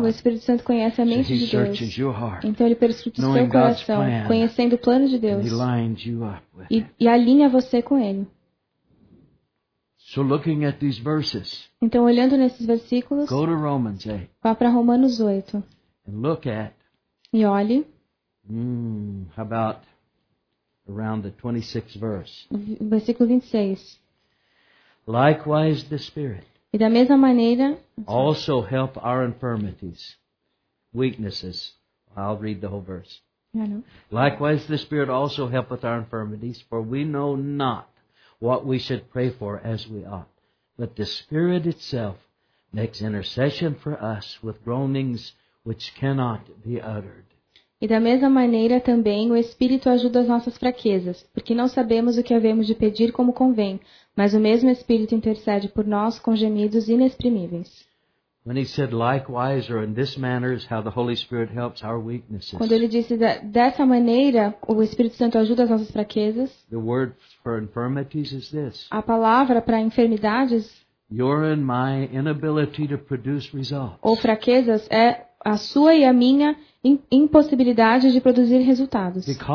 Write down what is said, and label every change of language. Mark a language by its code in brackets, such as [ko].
[pt] O Espírito Santo conhece a mente [en] so [pt] de Deus. [en] Your heart, [pt] então ele perscruta o seu coração, [en] plan, [pt] conhecendo o plano de Deus [en] and he lines you up with [pt] e alinha você com ele. [en] So looking at these verses, [pt] então, olhando nesses versículos, [en] go to Romans 8, [pt] vá para Romanos 8 [en] and look at, [pt] e olhe. [en] How about around the 26th verse. [pt] Versículo 26. [en] Likewise the Spirit. [pt] E da mesma maneira. [en] Also help our infirmities, weaknesses. I'll read the whole verse. Likewise the Spirit also helpeth our infirmities, for we know not what we should pray for as we ought. But the Spirit itself makes intercession for us with groanings which cannot be uttered. [pt] E da mesma maneira também o Espírito ajuda as nossas fraquezas, porque não sabemos o que havemos de pedir como convém, mas o mesmo Espírito intercede por nós com gemidos inexprimíveis. [en] When he said likewise or in this manner is how the Holy Spirit helps our weaknesses. [pt] Quando ele disse dessa maneira o Espírito Santo ajuda as nossas fraquezas. [en] The word for infirmities is this. [pt] A palavra para enfermidades. [en] Your and my inability to produce results. [pt] Ou fraquezas é a sua e a minha impossibilidade de produzir resultados.